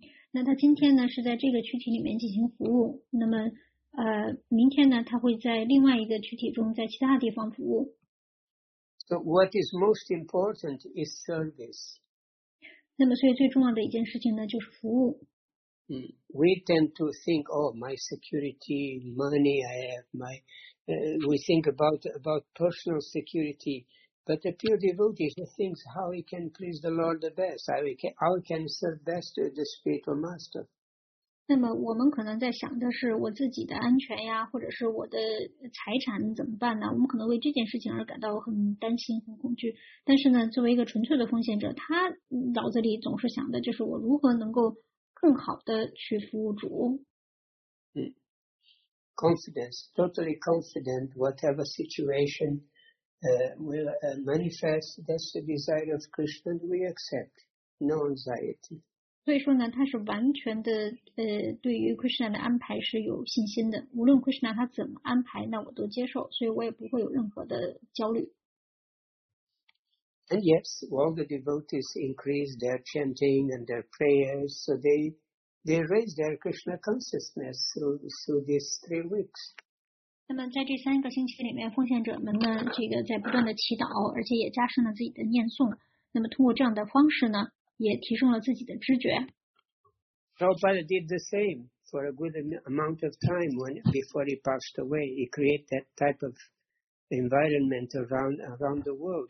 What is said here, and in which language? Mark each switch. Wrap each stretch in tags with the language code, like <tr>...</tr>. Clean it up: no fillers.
<zh>那他今天呢是在这个躯体里面进行服务，那么。明天呢他会在另外一个躯体中在其他地方服务。</zh> <en>So what is most important is service.</en> <zh>那么所以最重要的一件事情呢就是服务。</zh> <en>We tend to think, oh, my security, money I have, my, we think about personal security, but the pure devotee thinks how he can please the Lord the best, how he can serve best the spiritual master.</en> <zh>那么我们可能在想的是我自己的安全呀，或者是我的财产怎么办呢？我们可能为这件事情而感到很担心、很恐惧。但是呢，作为一个纯粹的奉献者，他脑子里总是想的就是我如何能够更好的去服务主。</zh> <en>Confidence, totally confident, whatever situation will manifest, that's the desire of Krishna, we accept, no anxiety.</en> <zh>所以说呢，他是完全的对于 Krishna 的安排是有信心的。无论 Krishna 他怎么安排，那我都接受，所以我也不会有任何的焦虑。</zh> <en>And yes, all the devotees increase their chanting and their prayers, so they raise their Krishna consciousness through these 3 weeks.</en> <zh>那么在这三个星期里面，奉献者们呢，这个在不断的祈祷，而且也加深了自己的念诵。那么通过这样的方式呢？也提升了自己的知觉。</zh> <en>Prabhupada did the same for a good amount of time when before he passed away. He created that type of environment around the world.</en>